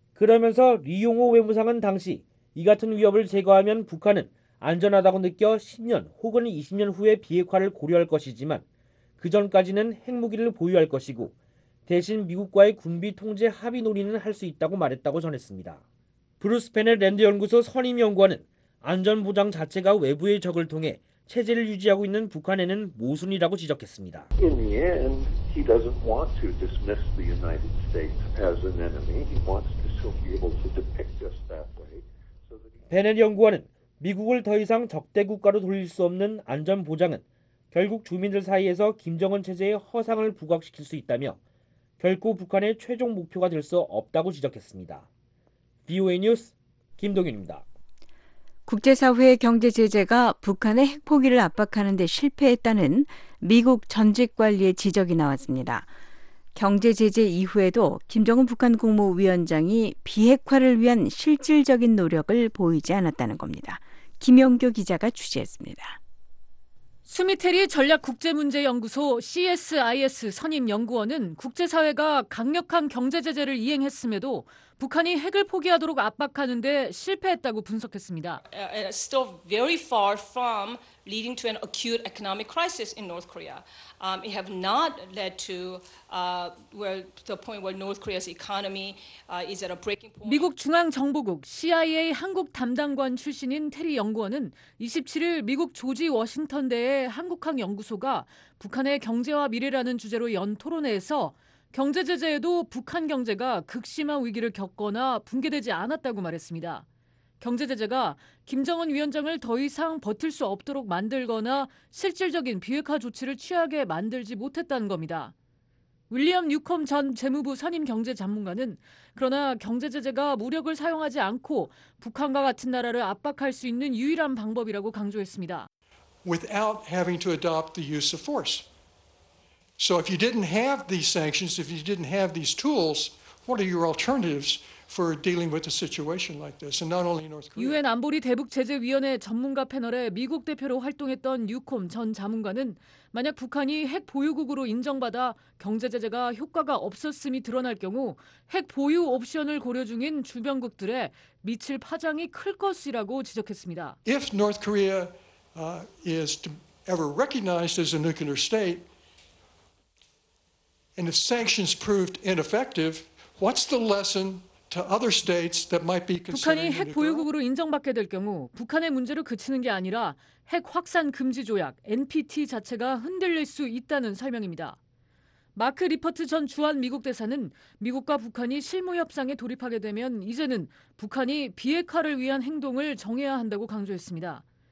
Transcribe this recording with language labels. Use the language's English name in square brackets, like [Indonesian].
[Korean] 그러면서 리용호 외무상은 당시 이 같은 위협을 제거하면 북한은 안전하다고 느껴 10년 혹은 20년 후에 비핵화를 고려할 것이지만 그 전까지는 핵무기를 보유할 것이고 대신 미국과의 군비 통제 합의 논의는 할 수 있다고 말했다고 전했습니다. 브루스 펜의 랜드 연구소 선임 연구원은 안전 보장 자체가 외부의 적을 통해 체제를 유지하고 있는 북한에는 모순이라고 지적했습니다. [English] In the end, he doesn't want to dismiss the United States as an enemy. He wants to still be able to depict us that way. [Korean] 펜의 연구원은 미국을 더 이상 적대 국가로 돌릴 수 없는 안전 보장은 결국 주민들 사이에서 김정은 체제의 허상을 부각시킬 수 있다며 결코 북한의 최종 목표가 될 수 없다고 지적했습니다. VOA 뉴스 김동윤입니다. 국제사회의 경제 제재가 북한의 핵포기를 압박하는 데 실패했다는 미국 전직 관리의 지적이 나왔습니다. 경제 제재 이후에도 김정은 북한 국무위원장이 비핵화를 위한 실질적인 노력을 보이지 않았다는 겁니다. 김영규 기자가 취재했습니다. 수미테리 전략국제문제연구소 CSIS 선임연구원은 국제사회가 강력한 경제 제재를 이행했음에도 북한이 핵을 포기하도록 압박하는 데 실패했다고 분석했습니다. [English] Still very far from leading to an acute economic crisis in North Korea. It have not led to where the point where North Korea's economy is at a breaking point. [Korean] 미국 중앙정보국 CIA 한국 담당관 출신인 테리 연구원은 27일 미국 조지 워싱턴대의 한국학 연구소가 북한의 경제와 미래라는 주제로 연 토론회에서 경제 제재에도 북한 경제가 극심한 위기를 겪거나 붕괴되지 않았다고 말했습니다. 경제 제재가 김정은 위원장을 더 이상 버틸 수 없도록 만들거나 실질적인 비핵화 조치를 취하게 만들지 못했다는 겁니다. 윌리엄 뉴컴 전 재무부 선임 경제 전문가는 그러나 경제 제재가 무력을 사용하지 않고 북한과 같은 나라를 압박할 수 있는 유일한 방법이라고 강조했습니다. [English] Without having to adopt the use of force. So if you didn't have these sanctions, if you didn't have these tools, what are your alternatives for dealing with a situation like this? And not only North Korea. [Korean] 유엔 안보리 대북 제재 위원회 전문가 패널에 미국 대표로 활동했던 뉴콤 전 자문관은 만약 북한이 핵 보유국으로 인정받아 경제 제재가 효과가 없었음이 드러날 경우 핵 보유 옵션을 고려 중인 주변국들에 미칠 파장이 클 것이라고 지적했습니다. [English] If North Korea is ever recognized as a nuclear state, and if sanctions proved ineffective, what's the lesson to other states that might be considering? [Korean] 북한이 핵 보유국으로 인정받게 될 경우 북한의 문제로 그치는 게 아니라 핵 확산 금지 조약 NPT 자체가 흔들릴 수 있다는 설명입니다. 마크 리퍼트 전 주한 미국 대사는 미국과 북한이 실무 협상에 돌입하게 되면 이제는 북한이 비핵화를 위한 행동을 정해야 한다고 강조했습니다.